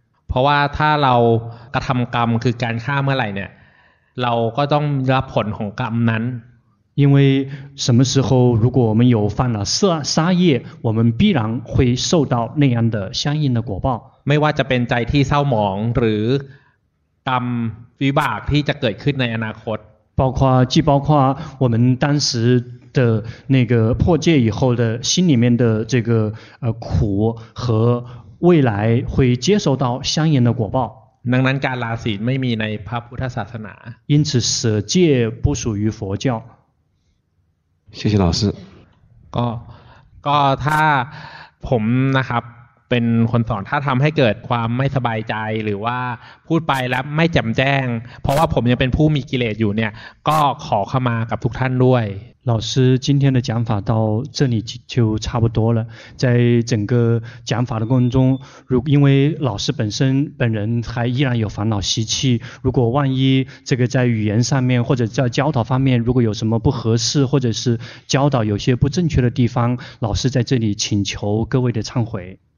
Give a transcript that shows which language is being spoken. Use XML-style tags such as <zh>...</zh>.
<th>เพราะว่าถ้าเรากระทำกรรมคือการฆ่าเมื่อไหร่เนี่ย เราก็ต้องรับผลของกรรมนั้น</th> <zh>因为什么时候如果我们有犯了杀杀业我们必然会受到那样的相应的果报</zh> <th>ไม่ว่าจะเป็นใจที่เศร้าหมองหรือกรรมวิบากที่จะเกิดขึ้นในอนาคต</th> <zh>包括既包括我们当时的那个破戒以后的心里面的这个苦和未来会接受到相应的果报</zh> <th>ดังนั้นการลาศีลไม่มีในพระพุทธศาสนา</th> <zh>因此舍戒不属于佛教谢谢老师</zh> <th>ก็ถ้าผมนะครับเป็นคนสอนถ้าทำให้เกิดความไม่สบายใจหรือว่าพูดไปแล้วไม่แจ่มแจ้งเพราะว่าผมยังเป็นผู้มีกิเลสอยู่เนี่ยก็ขอขมากับทุกท่านด้วย</th> <zh>老师今天的讲法到这里就差不多了在整个讲法的过程中如因为老师本人还依然有烦恼习气如果万一这个在语言上面或者在教导方面如果有什么不合适或者是教导有些不正确的地方老师在这里请求各位的忏悔</zh>